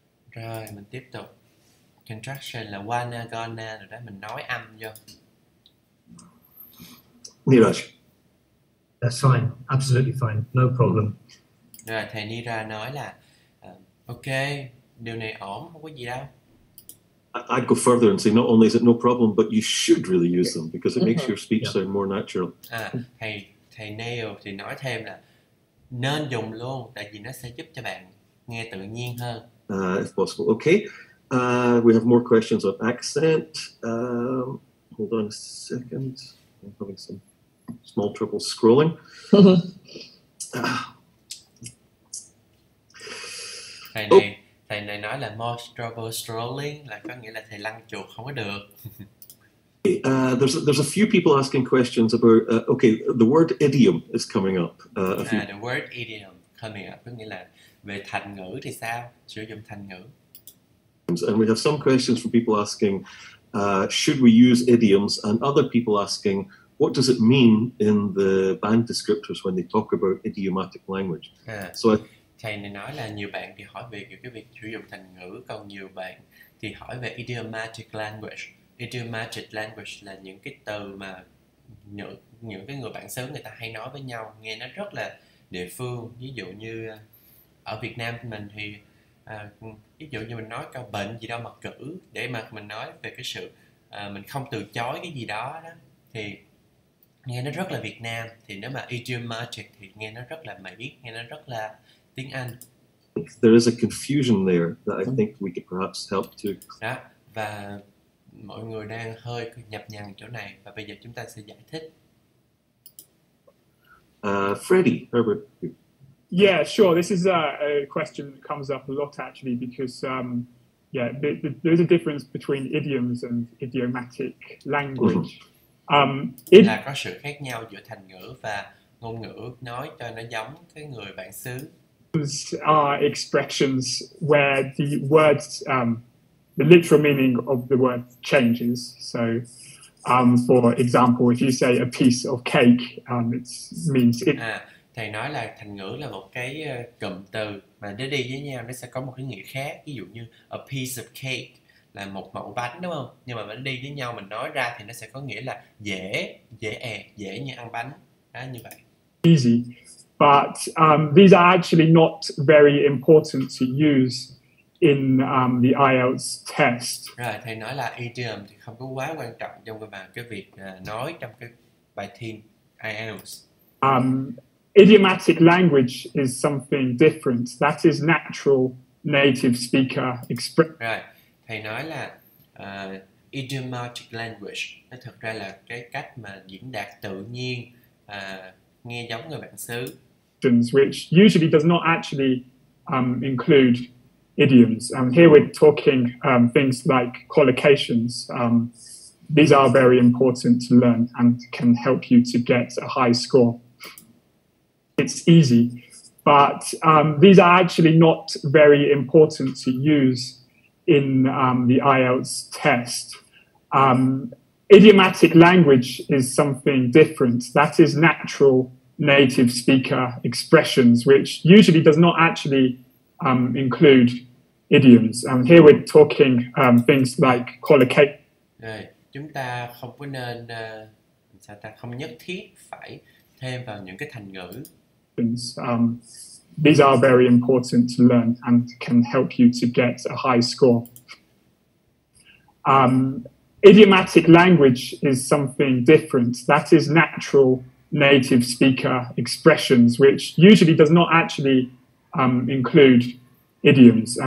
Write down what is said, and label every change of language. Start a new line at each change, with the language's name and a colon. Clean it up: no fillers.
Vietnamese: Rồi mình tiếp tục. Contraction là wanna gonna rồi đó, mình nói âm vô.
English: Niraj. That's fine, absolutely fine, no problem.
Vietnamese: Rồi thầy Nira nói là ok, điều này ổn, không có gì đâu.
English: I'd go further and say not only is it no problem, but you should really use them because it makes your speech sound more natural.
Vietnamese: À, thầy Neil thì nói thêm là nên dùng luôn, tại vì nó sẽ giúp cho bạn nghe tự nhiên hơn.
English: If possible. Okay. We have more questions on accent. Hold on a second. I'm having some small trouble scrolling.
Vietnamese: Thầy này, thầy này nói là
English: more trouble scrolling,
Vietnamese: là có nghĩa là thầy lăn chuột không có được.
English: There's a few people asking questions about okay, the word idiom is coming up. The word idiom coming up,
Vietnamese: có nghĩa là về thành ngữ thì sao, sử dụng thành ngữ.
English: And we have some questions from people asking, should we use idioms? And other people asking, what does it mean in the band descriptors when they talk about idiomatic language?
Vietnamese: So thầy này nói là nhiều bạn thì hỏi về kiểu cái việc sử dụng thành ngữ, còn nhiều bạn thì hỏi về idiomatic language. Idiomatic language là những cái từ mà những cái người bản xứ người ta hay nói với nhau, nghe nó rất là địa phương. Ví dụ như ở Việt Nam mình thì ví dụ như mình nói câu bệnh gì đó mà cử, để mà mình nói về cái sự mình không từ chối cái gì đó đó, thì nghe nó rất là Việt Nam. Thì nếu mà idiomatic thì nghe nó rất là Mỹ, nghe nó rất là tiếng Anh.
English: There is a confusion there that I think we could perhaps help to.
Vietnamese: Đó, và mọi người đang hơi nhập nhằng chỗ này, và bây giờ chúng ta sẽ giải thích.
English: Freddie, Herbert. Yeah, sure. This is a question that comes up a lot, actually, because there's a difference between idioms and idiomatic language.
Vietnamese: Là có sự khác nhau giữa thành ngữ và ngôn ngữ nói cho nó giống cái người bản xứ.
English: Idioms are expressions where the words, the literal meaning of the word changes. So, for example, if you say a piece of cake, it means it.
Vietnamese: Thầy nói là thành ngữ là một cái cụm từ mà nó đi với nhau, nó sẽ có một cái nghĩa khác. Ví dụ như
English: a piece of cake
Vietnamese: là một mẩu bánh, đúng không? Nhưng mà nó đi với nhau, mình nói ra thì nó sẽ có nghĩa là dễ như ăn bánh. Đó, như vậy.
English: Easy. But these are actually not very important to use in the IELTS test.
Vietnamese: Rồi, thầy nói là idiom thì không có quá quan trọng trong cái việc nói trong cái bài thi IELTS.
English: Idiomatic language is something different. That is natural native speaker expression. Right.
Vietnamese: Thầy nói là idiomatic language nó thực ra là cái cách mà diễn đạt tự nhiên, nghe giống người bản xứ.
English: Which usually does not actually include idioms. Here we're talking things like collocations. These are very important to learn and can help you to get a high score. It's easy, but these are actually not very important to use in the IELTS test. Idiomatic language is something different. That is natural native speaker expressions, which usually does not actually include idioms. Here we're talking things like collocate.
Vietnamese: Chúng ta không có nên, sao ta không nhất thiết phải thêm vào những cái thành ngữ.
English: These are very important to learn and can help you to get a high score. Idiomatic language is something different. That is natural native speaker expressions, which usually does not actually include idioms.